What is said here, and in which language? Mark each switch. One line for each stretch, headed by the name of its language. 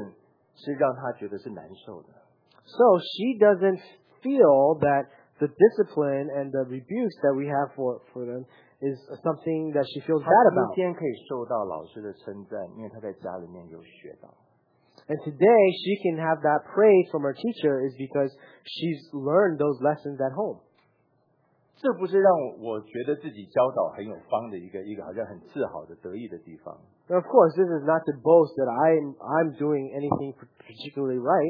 Chinese: 所以她不觉得我们在家里面的纠正是让她觉得是难受的。
English: So she doesn't feel that the discipline and the rebukes that we have for them is something that she feels bad about.
Chinese: 她今天可以受到老师的称赞，因为她在家里面有学到。
English: And today she can have that praise from her teacher is because she's learned those lessons at home.
Chinese: 这不是让我觉得自己教导很有方的一个好像很自豪的得意的地方。
English: Of course, this is not to boast that I'm doing anything particularly right.